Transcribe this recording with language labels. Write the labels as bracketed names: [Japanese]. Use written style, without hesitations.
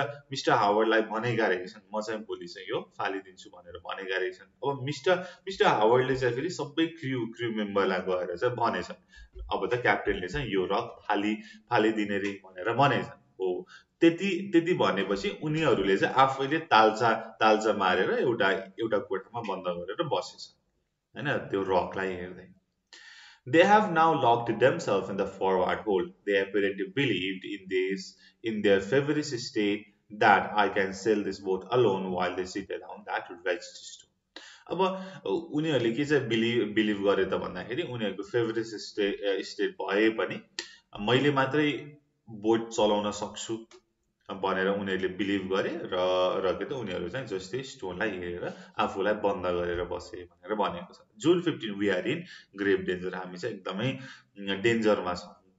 [Nepali] Mister हावर्डलाई भनेका रहेछन् म चाहिँ भोलि चाहिँ यो फालिदिन्छु भनेर भनेका रहेछन् अब मिस्टर हावर्डले चाहिँ फेरि सबै क्रू मेम्बरलाई गएर चाहिँ भनेछन् अब त क्याप्टेनले चाहिँ यो रक फालिदिने रे भनेर भनेछन् हो त्यति भनेपछि उनीहरूले चाहिँ आफैले तालचा मारेर एउटा कोठामा बन्द गरेर बसेछ होइन त्यो रकलाई हेर्दै [English] They have now locked themselves in the forward hold. They apparently believed in their feverish state that I can sail this boat alone while they sit down that wretched stone. [Nepali] अब उनीहरूले के चाहिँ बिलिभ गरे त भन्दाखेरि उनीहरूको फेभरेस state भए पनि मैले मात्रै बोट चलाउन सक्छु भनेर उनीहरूले बिलिभ गरे र के त उनीहरू चाहिँ जस्तै स्टोनलाई हेरेर आफूलाई बन्द गरेर बसे भनेर भनेको छ जुन 15 [English] we are in grave danger [Nepali] हामी चाहिँ एकदमै डेन्जरमा छौँ